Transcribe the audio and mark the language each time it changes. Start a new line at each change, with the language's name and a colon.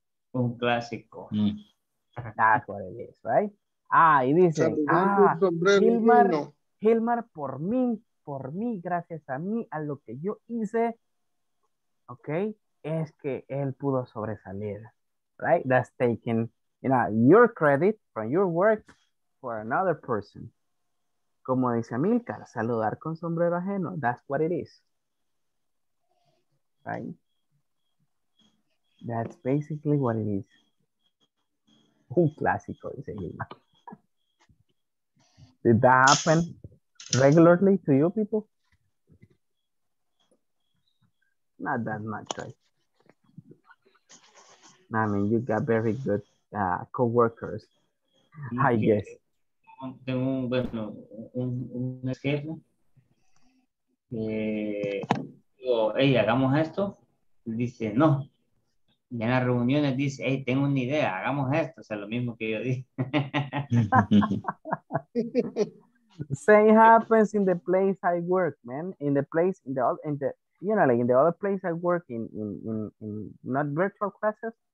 Spanish: Un clásico.
English: That's what it is, right?
Spanish: Ah, y dice, Gilmar, Gilmar, por mí, gracias a mí, a lo que yo hice, ok, es que él pudo sobresalir,
English: right? That's taking, you know, your credit from your work for another person.
Spanish: Como dice Amilcar, saludar con sombrero ajeno,
English: that's what it is, right? That's basically what it is.
Spanish: Un clásico, dice Gilmar.
English: Did that happen regularly to you people? Not that much, right? I mean, you got very good co-workers, I guess.
Spanish: Tengo un, bueno, un esquema. Digo, hey, hagamos esto. Dice, no. Y en las reuniones dice, hey, tengo una idea, hagamos esto. O sea, lo mismo que yo dije.
English: Same happens in the place I work, man. In the place, in the you know, like in the other place I work in not virtual classes.